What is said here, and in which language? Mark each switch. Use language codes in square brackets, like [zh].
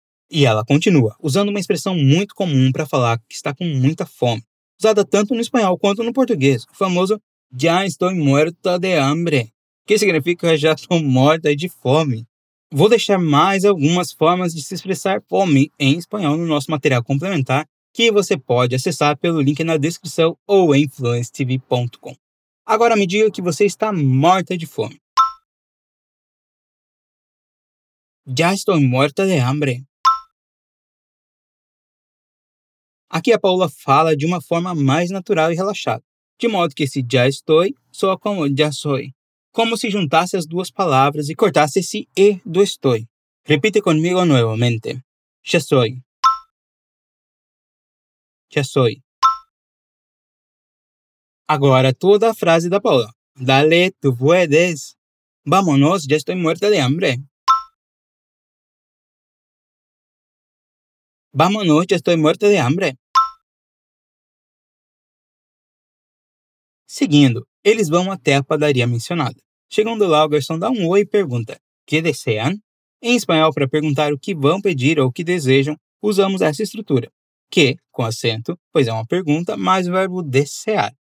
[pt] E ela continua, usando uma expressão muito comum para falar que está com muita fome, usada tanto no espanhol quanto no português, o famoso [es] Ya estoy muerta de hambre, [pt] que significa já estou morta de fome. Vou deixar mais algumas formas de se expressar fome em espanhol no nosso material complementar, que você pode acessar pelo link na descrição ou em fluencetv.com. Agora me diga que você está morta de fome. [es] Ya estoy muerta de hambre. [pt] Aqui a Paula fala de uma forma mais natural e relaxada, de modo que esse já estou soa como já soy, como se juntasse as duas palavras e cortasse esse e do estoy. Repite comigo novamente. [es] Já soy. Já soy. [pt] Agora toda a frase da Paula. [es] Dale, tu puedes. Vámonos, ya estoy muerta de hambre. Vámonos, ya estoy muerta de hambre. [pt] Seguindo, eles vão até a padaria mencionada. Chegando lá, o garçom dá um oi e pergunta [es] ¿Qué desean? [pt] Em espanhol, para perguntar o que vão pedir ou o que desejam, usamos essa estrutura. Que, com acento, pois é uma pergunta, mais o verbo desear.